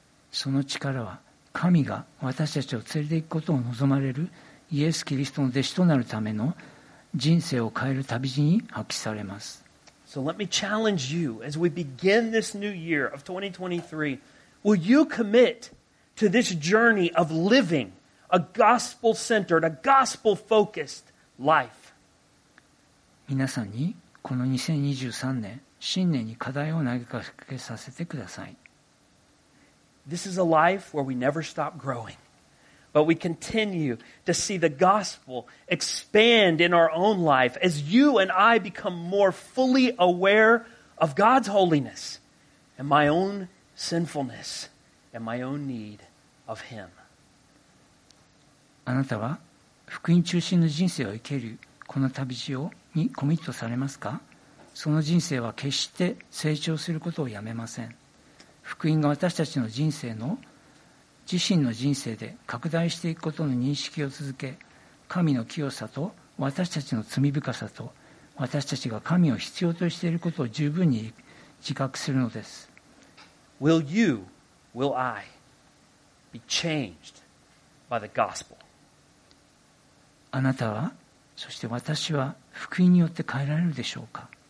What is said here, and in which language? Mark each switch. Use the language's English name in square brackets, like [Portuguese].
[Japanese] その力は神が私たちを連れていくことを望まれるイエス・キリストの弟子となるための人生を変える旅路に発揮されます。 [English] So let me challenge you as we begin this new year of 2023. Will you commit to this journey of living a gospel-centered, a gospel-focused life? [Japanese] 皆さんにこの2023年、新年に課題を投げかけさせてください。 [English] This is a life where we never stop growing, but we continue to see the gospel expand in our own life as you and I become more fully aware of God's holiness and my own sinfulness and my own need of Him. [Japanese] あなたは福音中心の人生を生けるこの旅路をにコミットされますか？その人生は決して成長することをやめません。福音が私たちの人生の自身の人生で拡大していくことの認識を続け、神の清さと私たちの罪深さと私たちが神を必要としていることを十分に自覚するのです。 [English] Will you, will I be changed by the gospel? [Japanese] あなたは、そして私は福音によって変えられるでしょうか。